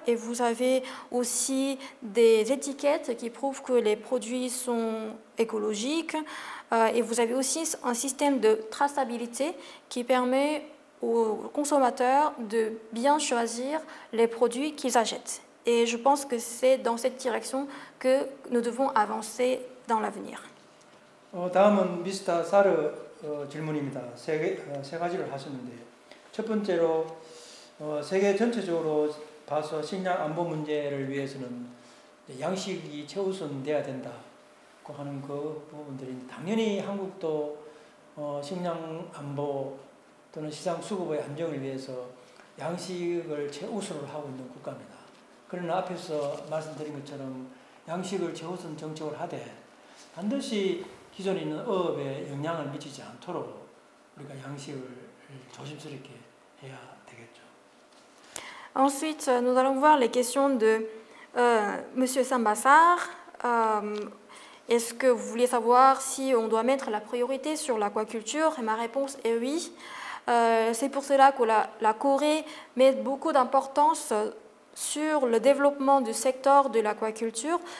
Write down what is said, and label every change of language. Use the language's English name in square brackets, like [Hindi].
[French] Et vous avez aussi des étiquettes qui prouvent que les produits sont écologiques. Et vous avez aussi un système de traçabilité qui permet aux consommateurs de bien choisir les produits qu'ils achètent. Et je pense que c'est dans cette direction que nous devons avancer dans l'avenir. [Korean] 다음은 미스터 사르 질문입니다. 세 가지를 하셨는데 첫 번째로 세계 전체적으로 봐서 식량 안보 문제를 위해서는 양식이 최우선돼야 된다고 하는 그 부분들이 당연히 한국도 식량 안보 또는 시장 수급의 안정을 위해서 양식을 최우선으로 하고 있는 국가입니다. 그러나 앞에서 말씀드린 것처럼 양식을 최우선 정책을 하되 반드시 기존에 있는 어업에 영향을 미치지 않도록 우리가 양식을 조심스럽게 해야 되겠죠. [French] Ensuite, nous allons voir les questions de Monsieur Sambassar. Est-ce que vous voulez savoir si on doit mettre la priorité sur l'aquaculture ? Et ma réponse est oui. C'est pour cela que la Corée met beaucoup d'importance sur le développement du secteur de l'aquaculture.